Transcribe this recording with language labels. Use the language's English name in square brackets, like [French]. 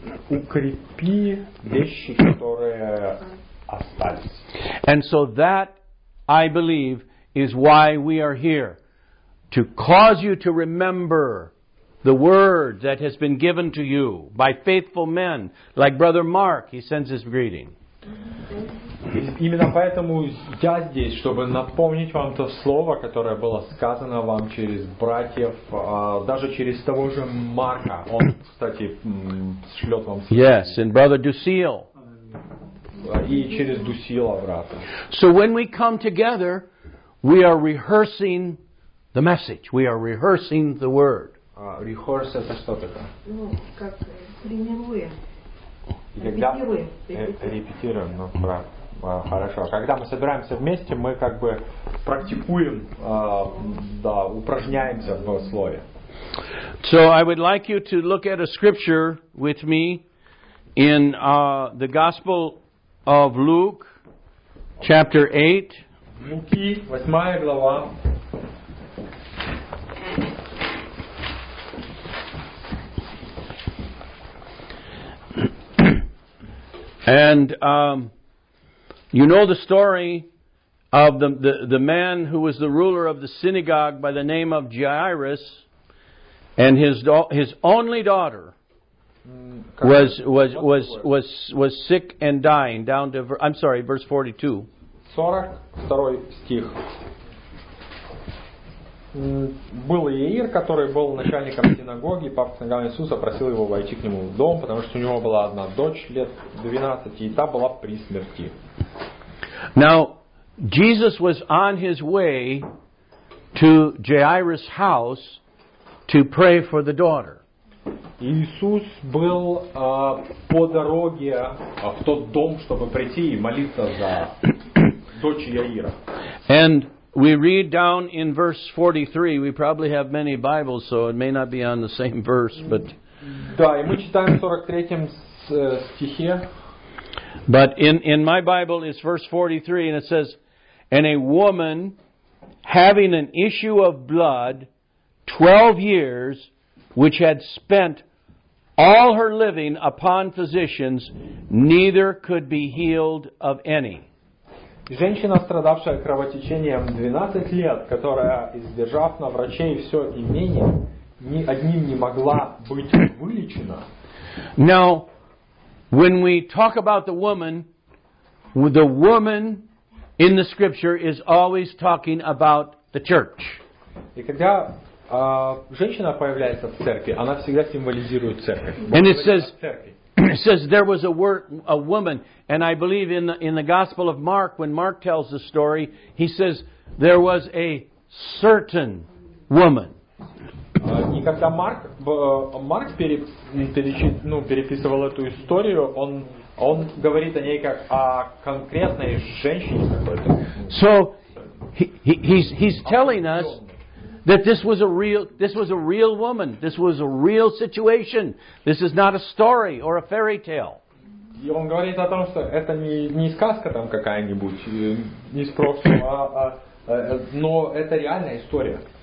[Russian] Укрепи вещи, которые остались. [English] And so that, I believe, is why we are here. To cause you to remember the word that has been given to you by faithful men, like Brother Mark, he sends his greeting. [Russian] Именно поэтому я здесь, чтобы напомнить вам то слово, которое было сказано вам через братьев, даже через того же Марка. Он, кстати, шлет вам. [English] Yes, and Brother Dusil. [Russian] И через Дусила, брата. [English] So when we come together, we are rehearsing the message. We are rehearsing the word. [Russian] Rehearse это что такое? Ну, как тренируем. Репетируем. Ну, хорошо. Когда мы собираемся вместе, мы как бы практикуем, да, упражняемся в слове. [English] So I would like you to look at a scripture with me in the Gospel of Luke, chapter 8. [Russian] Луки, 8 глава. [English] And you know the story of the man who was the ruler of the synagogue by the name of Jairus, and his only daughter was sick and dying. Down to verse 42. [Russian] 42 стих. Был Иаир, который был начальником синагоги, папа синагоги Иисуса просил его войти к нему в дом, потому что у него была одна дочь лет 12, и та была при смерти. [English] Now, Jesus was on his way to Jairus' house to pray for the daughter. [Russian] Иисус был по дороге в тот дом, чтобы прийти и молиться за дочь Иаира. [English] And we read down in verse 43. We probably have many Bibles, so it may not be on the same verse, but. [Russian] Да, и мы читаем в 43-м стихе. [English] But in my Bible is verse 43, and it says, "And a woman having an issue of blood, 12 years, which had spent all her living upon physicians, neither could be healed of any." [Russian] Женщина, страдавшая кровотечением 12 лет, которая, издержав на врачей все имение, ни одним не могла быть вылечена. [English] Now, when we talk about the woman in the scripture is always talking about the church. [Russian] И когда женщина появляется в церкви, она всегда символизирует церковь. [English] And it says, it says there was a woman, and I believe in the Gospel of Mark, when Mark tells the story, he says there was a certain woman. [Russian] И когда Марк переписывал эту историю, он говорит о ней как о конкретной женщине. [English] So he's telling us that this was a real woman. This was a real situation. This is not a story or a fairy tale. [Russian] И он говорит о том, что это не сказка там какая-нибудь, не из прошлого, но это реальная история.